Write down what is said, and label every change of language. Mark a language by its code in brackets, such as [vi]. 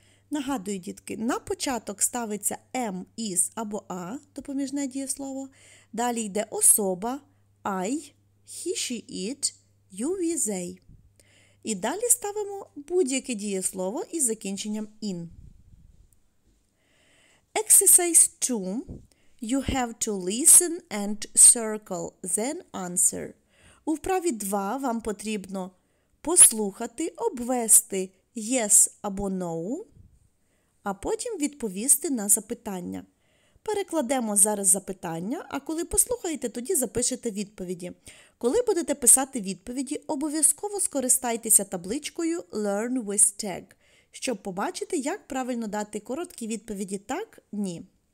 [uk] Нагадую, дітки, на початок ставиться am, is або a, допоміжне дієслово. Далі йде особа, I, he, she, it, you, we, they. І далі ставимо будь-яке дієслово із закінченням in. [en] Exercise 2. You have to listen and circle, then answer. [uk] У вправі 2 вам потрібно послухати, обвести yes або no, а потім відповісти на запитання. Перекладемо зараз запитання, а коли послухаєте, тоді запишете відповіді. Коли будете писати відповіді, обов'язково скористайтеся табличкою Learn with Tag, щоб побачити, як правильно дати короткі відповіді так, ні.